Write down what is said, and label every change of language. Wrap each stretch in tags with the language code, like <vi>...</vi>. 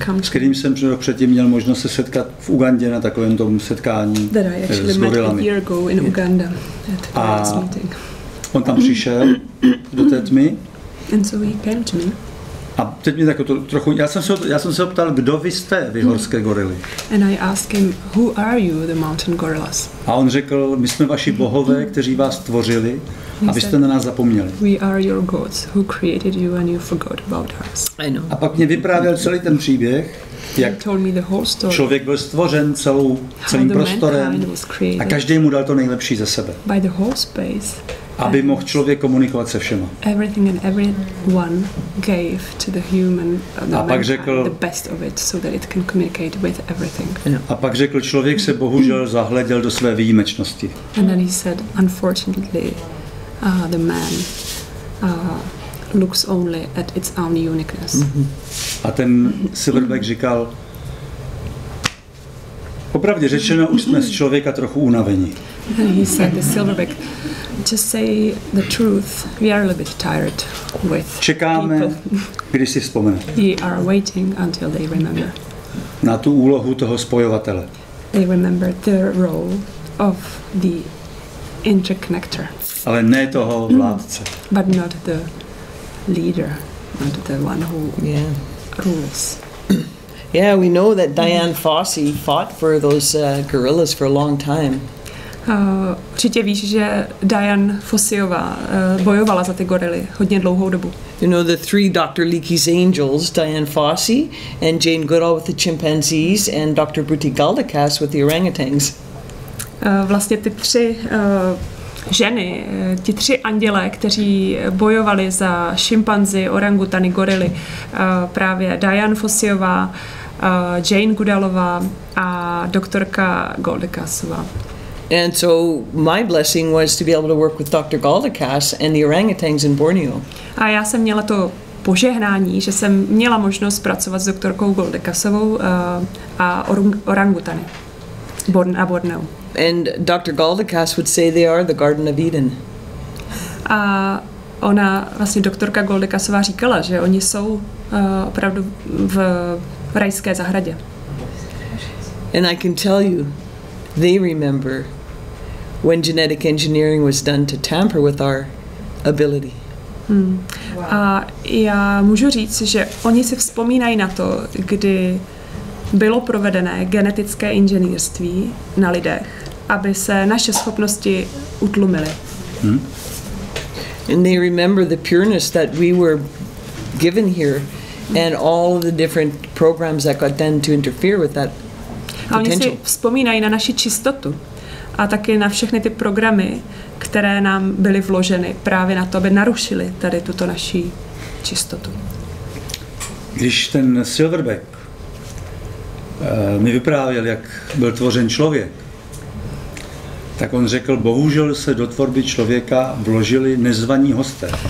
<cs>kterým jsem rok předtím měl možnost se setkat v Ugandě na takovém tom setkání s gorilami.</cs> <en>A year ago in Uganda at a</en> <cs>on tam přišel do té tmy.</cs> <en>And so he came to me.</en> <cs>A teď mě jako to trochu, já jsem se ptal, kdo vy jste, vy horské gorily.</cs> <en>And I asked him, who are you, the mountain gorillas?</en> <cs>A on řekl, my jsme vaši bohové, kteří vás tvořili, a vy jste na nás zapomněli.</cs> <en>We are your gods, who created you and you forgot about us. I know.</en> <cs>A pak mě vyprávěl celý ten příběh, jak člověk byl stvořen celým prostorem a každý mu dal to nejlepší ze sebe.</cs> <en>By the whole space.</en> <cs>Aby mohl člověk komunikovat se všema.</cs> <en>Everything and everyone gave to the human, the mankind, řekl, the best of it, so that it can communicate with everything.</en> <cs>A pak řekl, člověk se bohužel zahleděl do své výjimečnosti.</cs> <en>And then he said, unfortunately, the man looks only at its own uniqueness.</en> <cs>A ten silverback říkal, popravdě řečeno, už jsme z člověka trochu unaveni.</cs> <en>And he said, the silverback, to say the truth, we are a little bit tired with</en> <cs>čekáme,</cs> <en>people.</en> <cs>Když si vzpomene.</cs> <en>We are waiting until they remember.</en> <cs>Na tu úlohu toho spojovatele.</cs> <en>They remember the role of the interconnector.</en> <cs>Ale ne toho vládce.</cs> <en>But not the leader, not the one who rules. Yeah, we know that Diane Fossey fought for those gorillas for a long time.</en> <cs>Určitě víš, že Diane Fossiová bojovala za ty gorily hodně dlouhou dobu.</cs> <en>You know the three Dr. Leakey's angels, Diane Fossey and Jane Goodall with the chimpanzees and Dr. Bruti Galdakas with the orangutans.</en> <cs>Vlastně ty tři ženy, ti tři andělé, kteří bojovali za šimpanzi, orangutany, gorily, právě Diane Fossiová, Jane Goodallová a doktorka Galdakasová.</cs> <en>And so my blessing was to be able to work with Dr. Galdakas and the orangutans in Borneo.</en> <cs>A já jsem měla to požehnání, že jsem měla možnost pracovat s doktorkou Galdakasovou a orangutany na Borneo.</cs> <en>And Dr. Galdakas would say they are the Garden of Eden.</en> <cs>A ona vlastně doktorka Galdakasová říkala, že oni jsou opravdu v rajské zahradě.</cs> <en>And I can tell you, they remember when genetic engineering was done to tamper with our ability. Hmm. Wow.</en> <cs>A já můžu říct, že oni si vzpomínají na to, kdy bylo provedené genetické inženýrství na lidech, aby se naše schopnosti utlumily.</cs> <en>And they remember the pureness that we were given here and all the different programs that got done to interfere with that.</en> <cs>A oni si vzpomínají na naši čistotu a taky na všechny ty programy, které nám byly vloženy právě na to, aby narušili tady tuto naši čistotu. Když ten silverback mi vyprávěl, jak byl tvořen člověk, tak on řekl, bohužel se do tvorby člověka vložili nezvaní hosté.</cs>